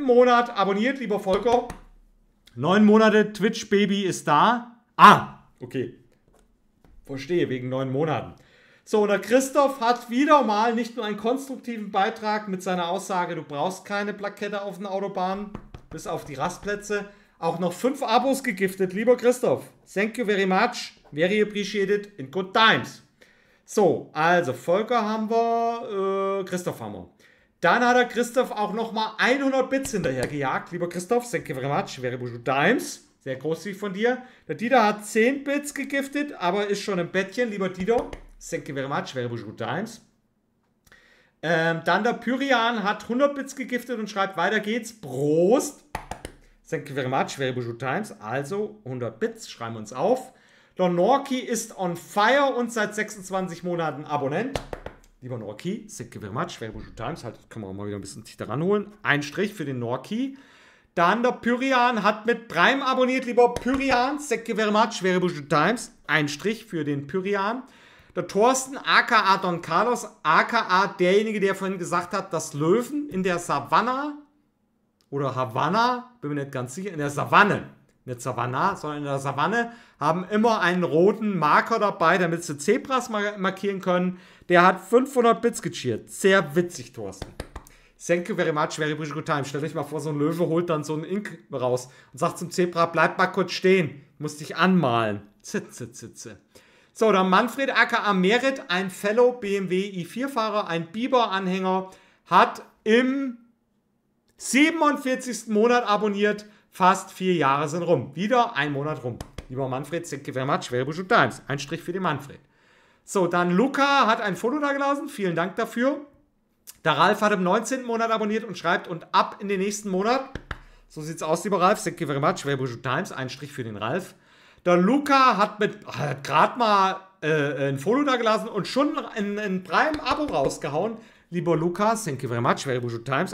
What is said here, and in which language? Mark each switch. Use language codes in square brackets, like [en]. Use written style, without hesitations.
[de] Monat abonniert, lieber Volker. 9 Monate, Twitch-Baby ist da. Ah, okay. Verstehe, wegen 9 Monaten. So, und der Christoph hat wieder mal nicht nur einen konstruktiven Beitrag mit seiner Aussage, du brauchst keine Plakette auf den Autobahnen, bis auf die Rastplätze, auch noch 5 Abos gegiftet. [en] Lieber Christoph, thank you very much, very appreciated in good times. [de] So, also Volker haben wir, Christoph haben wir. Dann hat der Christoph auch nochmal 100 Bits hinterher gejagt. [en] Lieber Christoph, thank you very much, very good times. [de] Sehr großzügig von dir. Der Dieter hat 10 Bits gegiftet, aber ist schon im Bettchen. [en] Lieber Dieter, thank you very much, very good times. [de] Dann der Pyrian hat 100 Bits gegiftet und schreibt, weiter geht's. Prost. [en] Thank you very much, very good times. [de] Also 100 Bits, schreiben wir uns auf. Der Norki ist on fire und seit 26 Monaten Abonnent. [en] Lieber Norki, thank you very much, very good times. [de] Halt, können wir auch mal wieder ein bisschen dichter ranholen. Ein Strich für den Norki. Dann der Pyrian hat mit Prime abonniert. [en] Lieber Pyrian, thank you very much, very good times. [de] Ein Strich für den Pyrian. Der Thorsten, aka Don Carlos, aka derjenige, der vorhin gesagt hat, dass Löwen in der Savanna oder Havanna, bin mir nicht ganz sicher, in der Savanne, nicht Savanna, sondern in der Savanne, haben immer einen roten Marker dabei, damit sie Zebras markieren können. Der hat 500 Bits gecheert. Sehr witzig, Thorsten. [en] Thank you very much, very good time. [de] Stell dich mal vor, so ein Löwe holt dann so einen Ink raus und sagt zum Zebra, bleib mal kurz stehen, muss dich anmalen. Zit, zit, zit, zit. So, dann Manfred, aka Merit, ein Fellow BMW i4-Fahrer, ein Biber-Anhänger, hat im 47. Monat abonniert, fast 4 Jahre sind rum. Wieder ein Monat rum. [en] Lieber Manfred, thank you very much, very good times. [de] Ein Strich für den Manfred. So, dann Luca hat ein Foto da gelassen, vielen Dank dafür. Der Ralf hat im 19. Monat abonniert und schreibt, und ab in den nächsten Monat, so sieht's aus, lieber Ralf, [en] thank you very much, very good times. [de] Ein Strich für den Ralf. Der Luca hat mit gerade mal ein Foto da gelassen und schon ein Prime-Abo rausgehauen. [en] Lieber Luca, thank you very much, very good times.